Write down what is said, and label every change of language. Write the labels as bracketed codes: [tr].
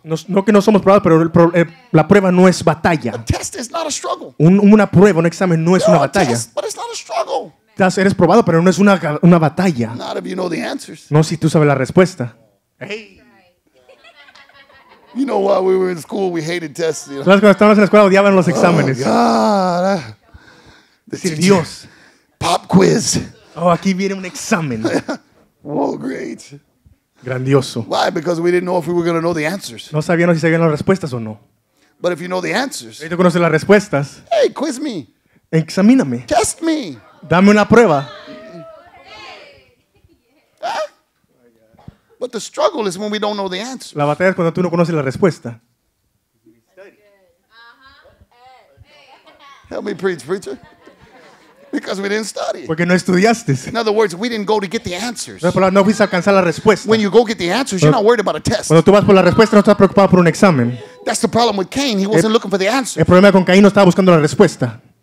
[es] No que no somos probados, pero la prueba no es batalla. [en] A test is not a struggle. [es] Una prueba, un examen no es [en] You're [es] una batalla. [en] A test, but it's not a struggle. [es] Estás, eres probado, pero no es una batalla. [en] Not if you know the answers. [es] No si tú sabes la respuesta. [en] Hey. You know why we were in school, we hated tests. You know? [es] ¿Sabes cuando estábamos en la escuela odiaban los exámenes? [en] Oh, God. [es] Decir Dios. [en] Pop quiz. [es] Oh, aquí viene un examen. [en] Oh, great. [es] Grandioso. [en] Why? Because we didn't know if we were going to know the answers. [es] No sabíamos si sabían las respuestas o no. [en] But if you know the answers. [es] Si tú conoces las respuestas. [en] Hey, quiz me. [es] Examíname. [en] Test me. [es] Dame una prueba. [en] Huh? But the struggle is when we don't know the answers. [es] La batalla es cuando tú no conoces la respuesta. [en] Help me preach, preacher. Because we didn't study. [es] Porque no estudiaste. [en] In other words, we didn't go to get the answers. [es] No fuiste a alcanzar la respuesta. [en] When you go get the answers, you're not worried about a test. [es] Cuando tú vas por la respuesta, no estás preocupado por un examen. [en] That's the problem with Cain. He wasn't looking for the answers. [es] El problema con Caín no estaba buscando la respuesta.